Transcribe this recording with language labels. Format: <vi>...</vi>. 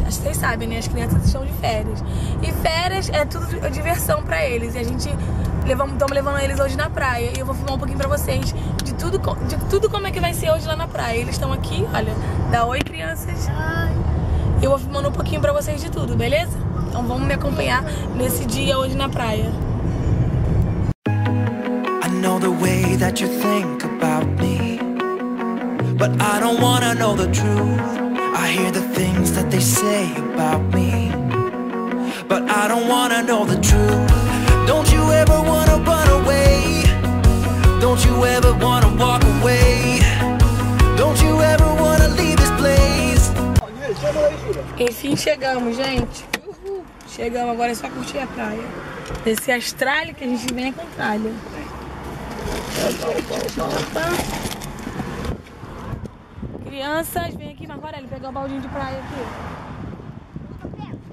<pt>Acho que vocês sabem, né? As crianças estão de férias. E férias é tudo diversão pra eles. E a gente estamos levando eles hoje na praia. E eu vou filmar um pouquinho pra vocês de tudo como é que vai ser hoje lá na praia. Eles estão aqui, olha. Dá oi, crianças. E eu vou filmando um pouquinho pra vocês de tudo, beleza? Então vamos me acompanhar nesse dia hoje na praia.</pt> <en>I know the way that you think about me. But I don't wanna know the truth. I hear the things that they say about me. But I don't wanna know the truth. Don't you ever wanna run away? Don't you ever wanna walk away? Don't you ever wanna leave this place?</en> <pt>Enfim, chegamos, gente. Uhul. Chegamos, agora é só curtir a praia. Descer as tralhas que a gente vem com tralha. Crianças, vem aqui, Marvarelli, pegar o baldinho de praia aqui.</pt>